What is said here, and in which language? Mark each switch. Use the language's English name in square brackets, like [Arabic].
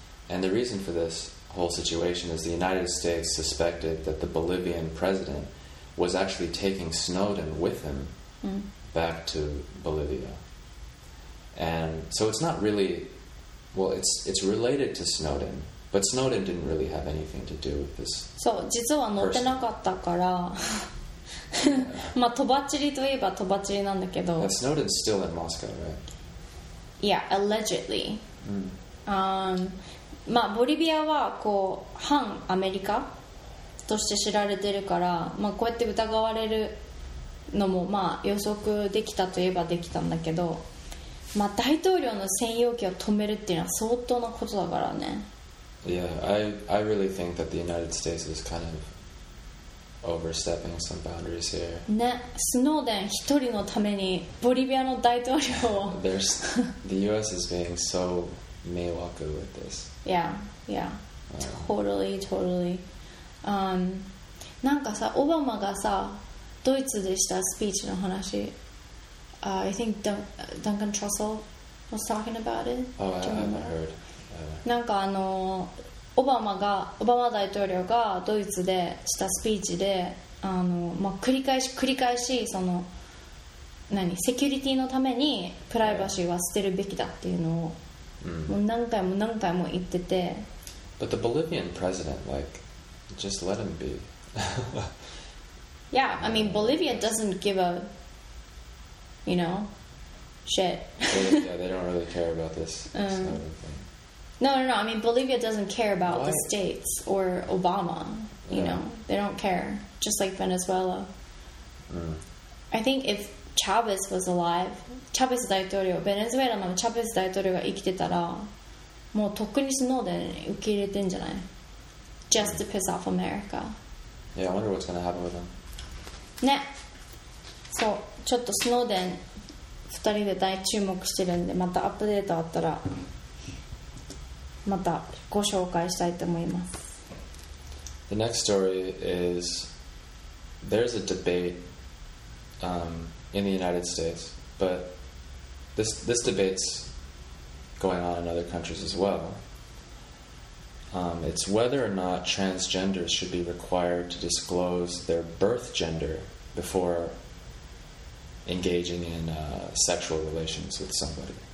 [English] And the reason for this whole situation is the United States suspected that the Bolivian president was actually taking Snowden with him back to Bolivia. And so it's not really, well, it's related to Snowden, but Snowden didn't really have anything to do with this. [Japanese] そう、実は乗ってなかったから、とばっちりといえばとばっちりなんだけど。 [English] And Snowden's still in Moscow, right? Yeah, allegedly. Mm. [Japanese] ボリビアはこう反アメリカとして知られてるから、こうやって疑われるのも予測できたといえばできたんだけど、大統領の専用機を止めるっていうのは相当なことだからね。 [English] Yeah, I really think that the United States is kind of overstepping some boundaries here. [Japanese] ね、スノーデン一人のためにボリビアの大統領を。 [English] There's the U.S. is being so meiwaku with this. Yeah, yeah. Totally, totally. [Japanese] なんかさ、オバマがさ、ドイツでしたスピーチの話。 [English] I think Duncan Trussell was talking about it. Oh, I haven't heard. [Japanese] なんかオバマ大統領がドイツでしたスピーチで、繰り返しその何セキュリティのためにプライバシーは捨てるべきだっていうのを、もう何回も言ってて。 [English] But the Bolivian president, like, just let him be. Yeah, I mean, Bolivia doesn't give a, you know, shit. Yeah, they don't really care about this. No. I mean, Bolivia doesn't care about the states or Obama. You know, they don't care. Just like Venezuela. I think if Chavez was alive, [Japanese] Chavez 大統領、Venezuela の Chavez 大統領が生きてたら、もうとっくにスノーデン受け入れてんじゃない？ [English] Just to piss off America. Yeah, I wonder what's gonna happen with him. [Japanese] ね。そう、ちょっとスノーデン二人で大注目してるんで、またアップデートあったら。またご紹介したいと思います。 [English] The next story is there's a debate in the United States, but this debate's going on in other countries as well. It's whether or not transgenders should be required to disclose their birth gender before engaging in sexual relations with somebody.